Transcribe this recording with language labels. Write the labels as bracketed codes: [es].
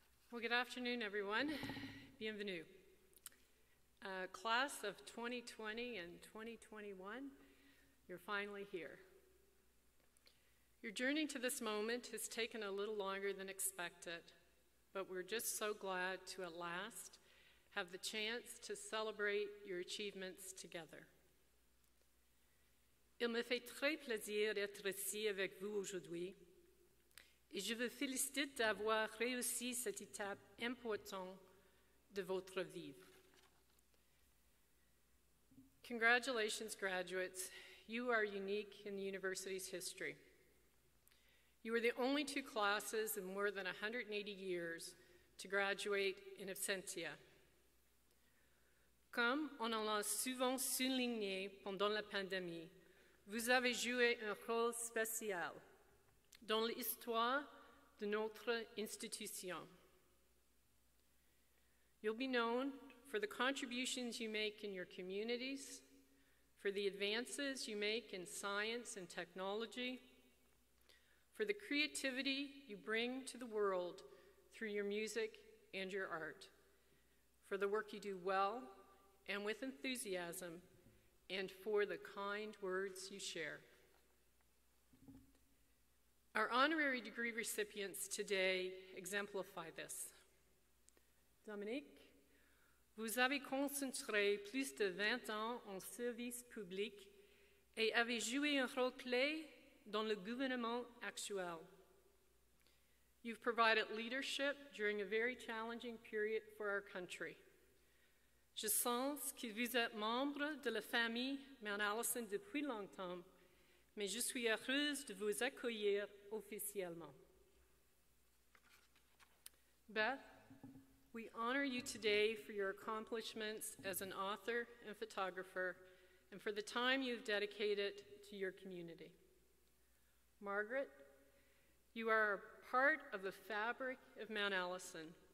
[en] Well, good afternoon, everyone. Bienvenue. Class of 2020 and 2021, you're finally here. Your journey to this moment has taken a little longer than expected, but we're just so glad to at last have the chance to celebrate your achievements together. [fr] Il me fait très plaisir d'être ici avec vous aujourd'hui. Et je vous félicite d'avoir réussi cette étape importante de votre vie. [en] Congratulations, graduates. You are unique in the university's history. You are the only two classes in more than 180 years to graduate in absentia. [fr] Comme on l'a souvent souligné pendant la pandémie, vous avez joué un rôle spécial dans l'histoire de notre institution. [en] You'll be known for the contributions you make in your communities, for the advances you make in science and technology, for the creativity you bring to the world through your music and your art, for the work you do well and with enthusiasm, and for the kind words you share. Our honorary degree recipients today exemplify this. [fr] Dominique, vous avez concentré plus de 20 ans en service public et avez joué un rôle clé dans le gouvernement actuel. [en] You've provided leadership during a very challenging period for our country. [fr] Je sens que vous êtes membre de la famille Mount Allison depuis longtemps, mais je suis heureuse de vous accueillir officiellement. [en] Beth, we honor you today for your accomplishments as an author and photographer, and for the time you've dedicated to your community. Margaret, you are a part of the fabric of Mount Allison.